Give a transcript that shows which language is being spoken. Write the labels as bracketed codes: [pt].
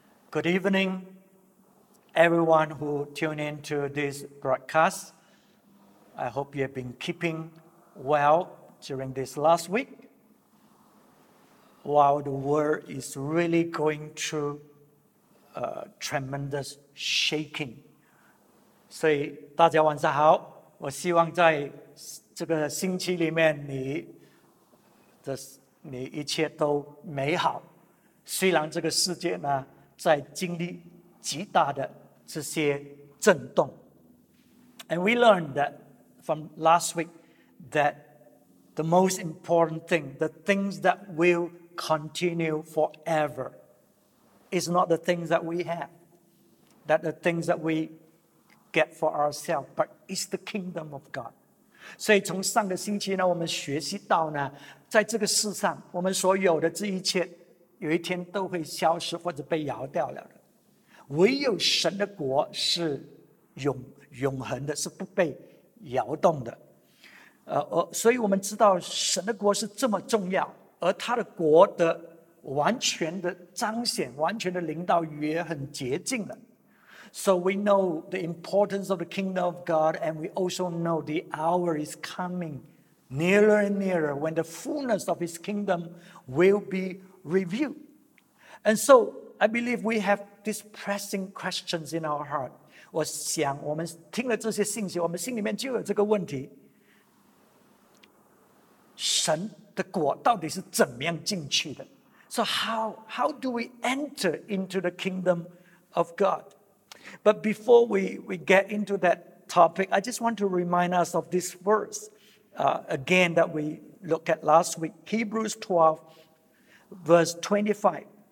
[en] Good evening, everyone who tune in to this broadcast. I hope you have been keeping well during this last week. While the world is really going through a tremendous shaking. [zh] 所以大家晚上好,我希望在这个星期里面你一切都美好,虽然这个世界呢, 在经历极大的这些震动. [en] And we learned that from last week that the most important thing, the things that will continue forever, is not the things that we have, that the things that we get for ourselves, but it's the kingdom of God. [zh] 所以从上个星期呢, 我们学习到呢, 在这个世上, 我们所有的这一切, 有一天都会消失或者被摇掉了。唯有神的国是永恒的，是不被摇动的。所以我们知道神的国是这么重要，而他的国的完全的彰显，完全的领导也很洁净了。 [en] So we know the importance of the kingdom of God, and we also know the hour is coming nearer and nearer when the fullness of his kingdom will be revealed. And so, I believe we have these pressing questions in our heart. [zh] 我想我们听了这些信息,我们心里面就有这个问题。神的国到底是怎么样进去的? [en] So how do we enter into the kingdom of God? But before we get into that topic, I just want to remind us of this verse again that we looked at last week. Hebrews 12, verse 25.